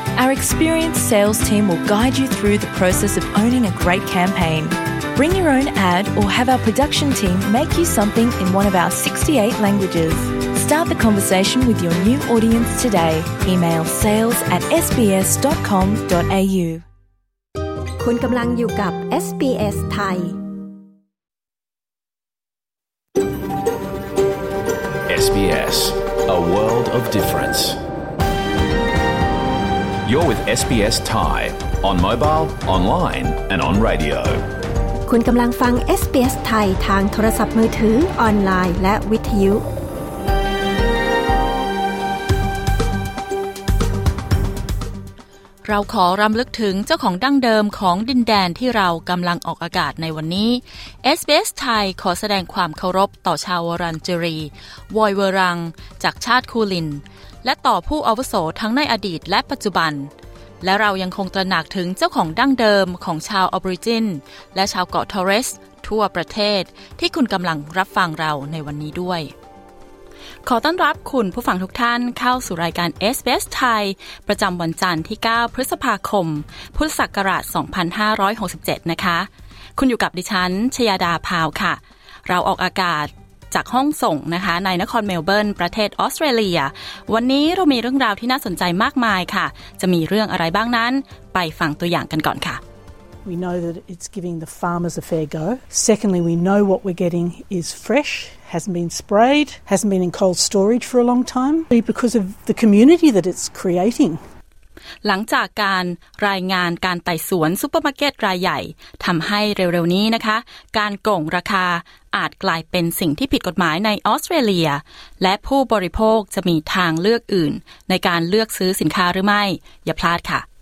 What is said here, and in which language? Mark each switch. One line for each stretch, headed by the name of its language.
English: Our experienced sales team will guide you through the process of owning a great campaign. Bring your own ad or have our production team make you something in one of our 68 languages. Start the conversation with your new audience today. Email sales@sbs.com.au.
Thai: คุณกำลังอยู่กับ SBS ไทย
English: SBS A World of Difference You're with SBS Thai on mobile, online and on radio
Thai: คุณกำลังฟัง SBS ไทยทางโทรศัพท์มือถือออนไลน์และวิทยุ เราขอรำลึกถึงเจ้าของดั้งเดิมของดินแดนที่เรากำลังออกอากาศในวันนี้ SBS ไทยขอแสดงความเคารพต่อชาววรังจิรีวอยเวรังจากชาติคูลินและต่อผู้อาวุโสทั้งในอดีตและปัจจุบันและเรายังคงตระหนักถึงเจ้าของดั้งเดิมของชาวออริจินและชาวเกาะทอร์เรสทั่วประเทศที่คุณกำลังรับฟังเราในวันนี้ด้วย ขอต้อนรับคุณผู้ฟังทุกท่านเข้าสู่รายการ SBS ไทยประจำวันจันทร์ที่9พฤษภาคมพุทธศักราช2567นะคะคุณอยู่กับดิฉันชยาดาพาวค่ะเราออกอากาศจากห้องส่งนะคะในนครเมลเบิร์นประเทศออสเตรเลียวันนี้เรามีเรื่องราวที่น่าสนใจมากมายค่ะจะมีเรื่องอะไรบ้างนั้นไปฟังตัวอย่างกันก่อนค่ะ
English: We know that it's giving the farmers a fair go. Secondly, we know what we're getting is freshhasn't been sprayed, hasn't been in cold storage for a long time, because of the community that it's creating.
Thai: หลังจากการรายงานการไต่สวนซูเปอร์มาร์เก็ตรายใหญ่ทำให้เร็วๆนี้นะคะการโก่งราคาอาจกลายเป็นสิ่งที่ผิดกฎหมายในออสเตรเลียและผู้บริโภคจะมีทางเลือกอื่นในการเลือกซื้อสินค้าหรือไม่อย่าพลาดค่ะ